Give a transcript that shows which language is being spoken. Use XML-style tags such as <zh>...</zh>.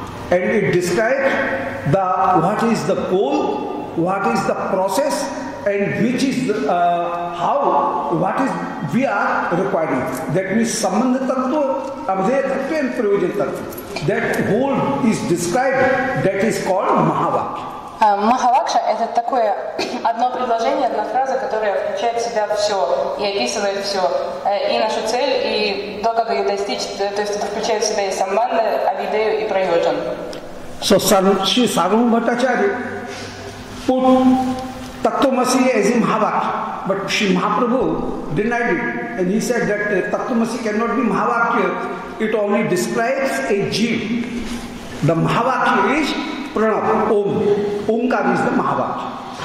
<en>And it describes the what is the goal, what is the process, and which is the, how, what is we are requiring. That means Sambandha Tattva, Abhidhaya Tattva and Prayojana Tattva. That whole is described, that is called Mahavakya.</en> <ru>Махавакша – это такое одно предложение, одна фраза, которая включает в себя все и описывает все, и нашу цель, и то, как ее достичь, то есть это включает в себя и самманды, авидею и прайоджан.</ru> <en>So, Shri Sarvam Bhattacharya put Tattvamasi as a Mahavakya, but Shri Mahaprabhu denied it, and he said that Tattvamasi cannot be Mahavakya, it only describes a jeev. The Mahavakya is Pranav, Om. Omkar is the Mahavakya.</en>